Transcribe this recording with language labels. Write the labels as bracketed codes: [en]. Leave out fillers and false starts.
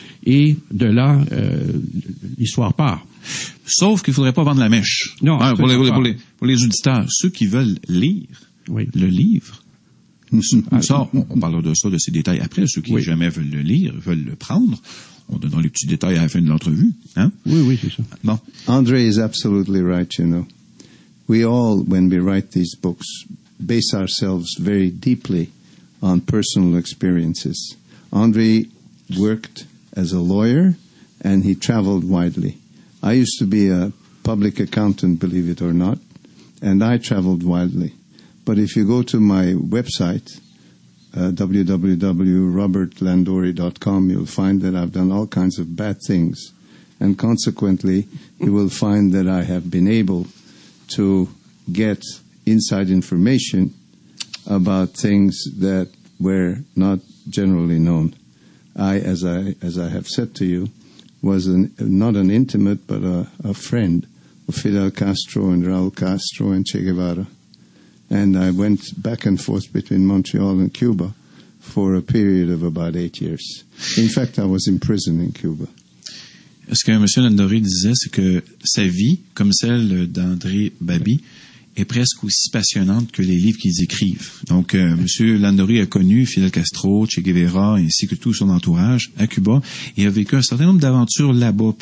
[fr] Et de là, l'histoire part. Sauf qu'il ne faudrait pas vendre la mèche. Non, hein, pour les auditeurs, ceux qui veulent lire le livre, on parlera de ça, de ces détails après. Ceux qui jamais veulent le lire, veulent le prendre. On donnera les petits détails à la fin de l'entrevue. Hein? Oui, c'est ça. Bon. [en] André is absolutely right, you know. We all, when we write these books, base ourselves very deeply on personal experiences. André worked as a lawyer, and he traveled widely. I used to be a public accountant, believe it or not, and I traveled widely. But if you go to my website, www.robertlandori.com, you'll find that I've done all kinds of bad things. And consequently, you will find that I have been able to get inside information about things that were not generally known. As I have said to you, was not an intimate, but a friend of Fidel Castro and Raul Castro and Che Guevara. And I went back and forth between Montreal and Cuba for a period of about 8 years. In fact, I was in prison in Cuba. [fr] Ce que M. Landori disait, c'est que sa vie, comme celle d'André Babi, est presque aussi passionnante que les livres qu'ils écrivent. Donc, M. Landori a connu Fidel Castro, Che Guevara, ainsi que tout son entourage à Cuba, et a vécu un certain nombre d'aventures là-bas.